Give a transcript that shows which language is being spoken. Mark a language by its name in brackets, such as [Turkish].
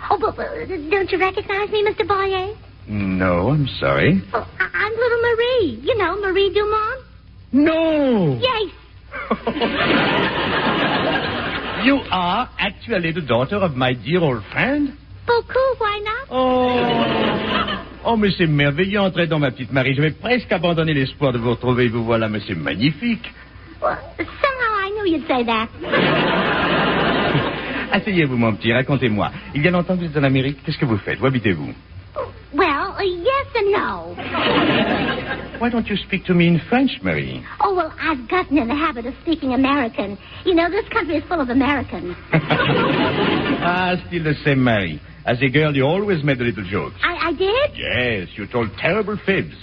[English] Oh, but don't you recognize me, Mr. Boyer? No, I'm sorry. Oh, I'm little Marie. You know, Marie Dumont. No! Yes! You are actually the daughter of my dear old friend? Beaucoup, why not? [French] Oh, mais c'est merveilleux, entrez dans ma petite Marie. J'avais presque abandonné l'espoir de vous retrouver. Vous voilà, mais c'est magnifique. [English] Well, somehow I knew you'd say that. [French] Asseyez-vous, mon petit, racontez-moi. Il y a longtemps que vous êtes en Amérique, qu'est-ce que vous faites? Où habitez-vous? [English] Well, yes and no. Why don't you speak to me in French, Marie? Oh, well, I've gotten in the habit of speaking American. You know, this country is full of Americans. Ah, still the same, Marie. As a girl, you always made a little joke. I did? Yes, you told terrible fibs.